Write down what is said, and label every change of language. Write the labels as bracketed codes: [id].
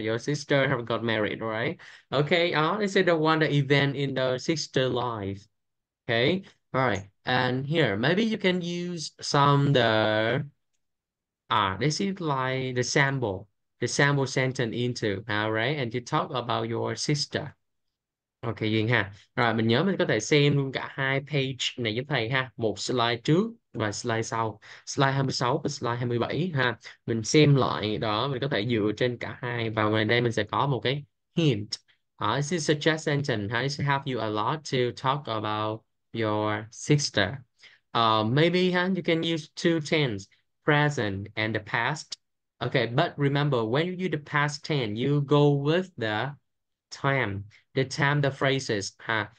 [en] Your sister have got married, right? Okay, this is the one event in the sister life. Okay, all right, and here maybe you can use some the this is like the sample. The sample sentence into all right, and you talk about your sister. Okay, Duyên ha. [vi] Rồi mình nhớ mình có thể xem luôn cả hai page này giúp thầy ha. Một slide trước và slide sau. Slide 26 và slide 27 ha. Mình xem lại đó, mình có thể dựa trên cả hai, và ngoài đây mình sẽ có một cái hint. [en] This is a suggest sentence. This help you a lot to talk about your sister. Maybe you can use two tense, present and the past. Okay, but remember, when you use the past tense, you go with the phrases, huh?